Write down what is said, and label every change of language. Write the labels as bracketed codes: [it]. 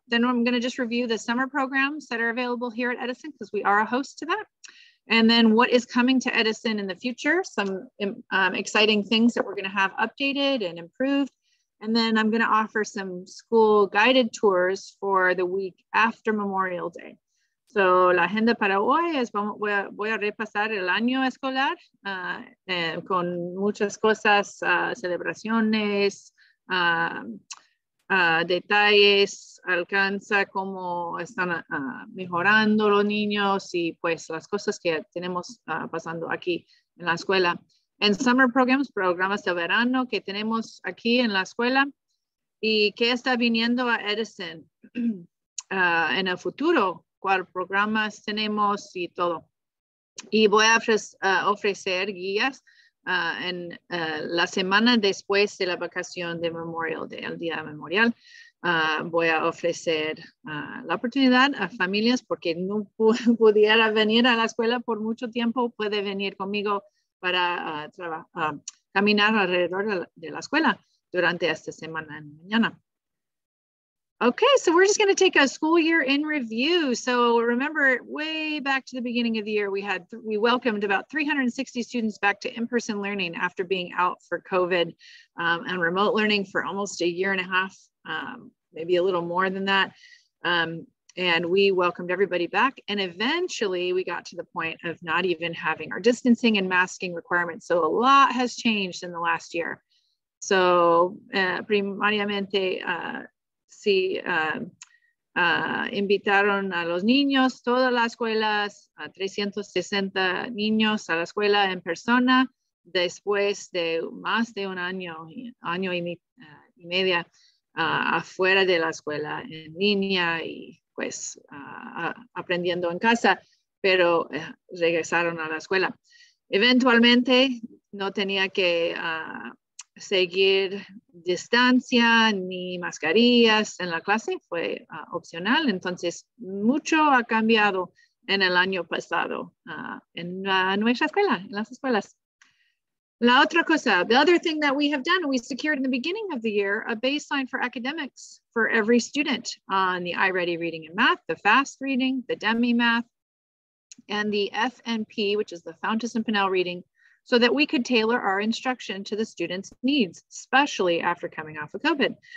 [en] Then I'm going to just review the summer programs that are available here at Edison because we are a host to that. And then what is coming to Edison in the future, some exciting things that we're going to have updated and improved. And then I'm going to offer some school guided tours for the week after Memorial Day. [es] So la agenda para hoy es voy a repasar el año escolar con muchas cosas, celebraciones, detalles, alcanza cómo están mejorando los niños y pues las cosas que tenemos pasando aquí en la escuela. En summer programs, programas de verano que tenemos aquí en la escuela y qué está viniendo a Edison en el futuro, cuál programas tenemos y todo. Y voy a ofrecer guías en la semana después de la vacación de Memorial Day, el día memorial. Voy a ofrecer la oportunidad a familias porque no pudiera venir a la escuela por mucho tiempo, puede venir conmigo para caminar alrededor de la escuela durante esta semana en mañana. [en] Okay, so we're just going to take a school year in review. So remember, way back to the beginning of the year, we welcomed about 360 students back to in-person learning after being out for COVID and remote learning for almost a year and a half, maybe a little more than that. And we welcomed everybody back. And eventually we got to the point of not even having our distancing and masking requirements. So a lot has changed in the last year. [es] So primariamente, si invitaron a los niños, todas las escuelas, 360 niños a la escuela en persona, después de más de un año y media afuera de la escuela en línea y pues aprendiendo en casa, pero regresaron a la escuela. Eventualmente no tenía que seguir distancia ni mascarillas en la clase, fue opcional. Entonces mucho ha cambiado en el año pasado en nuestra escuela, en las escuelas. La otra cosa, [en] the other thing that we have done, we secured in the beginning of the year a baseline for academics for every student on the iReady reading and math, the fast reading, the Demi math, and the FNP, which is the Fountas and Pinnell reading, so that we could tailor our instruction to the students' needs, especially after coming off of COVID.